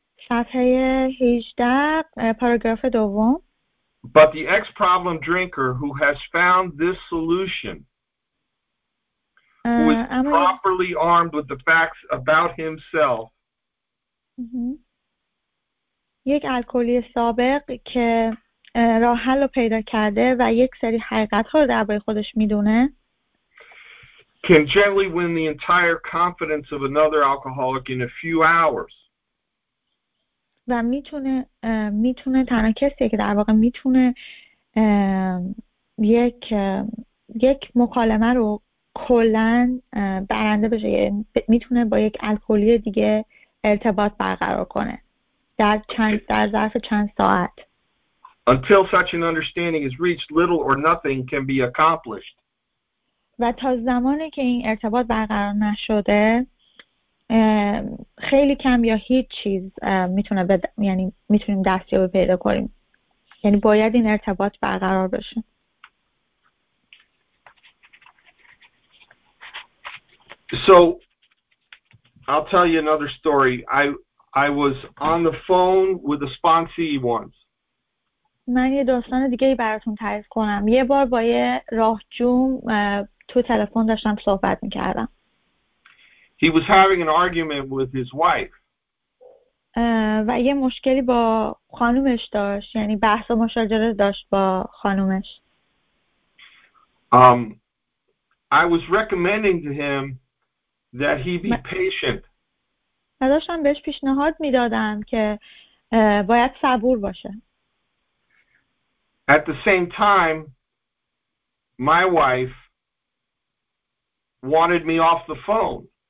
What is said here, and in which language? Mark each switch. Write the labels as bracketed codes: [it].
[fa] صفحه 18 پاراگراف دوم. [en] But the ex-problem drinker who has found this solution, who is properly armed with the facts about himself. [fa] یک الکلی سابق که راه حل رو پیدا کرده و یک سری حقیقت‌ها رو درباره خودش میدونه. [en] Can generally win the entire confidence of another alcoholic in a few hours. [fa] و میتونه تنها کسی که در واقع میتونه یک مکالمه رو کلن برنده بشه، میتونه با یک الکلی دیگه ارتباط برقرار کنه در ظرف چند ساعت. [en] Until such an understanding is reached, little or nothing can be accomplished. [fa] و تا زمانی که این ارتباط برقرار نشده خیلی کم یا هیچ چیز میتونه یعنی میتونیم دستیابی پیدا کنیم، یعنی باید این ارتباط برقرار بشه. [en] So I'll tell you another story. I was on the phone with a sponsee once. [fa] من یه داستان دیگه ای براتون تعریف کنم. یه بار با یه راهجوم تو تلفن داشتم صحبت میکردم. [en] He was having an argument with his wife. [fa] و یه مشکلی با خانومش داشت، یعنی بحث و مشاجره داشت با خانومش. [en] I was recommending to him that he be patient. [fa] داشتم بهش پیشنهاد میدادم که باید صبور باشه. [en] At the same time, my wife wanted me off the phone.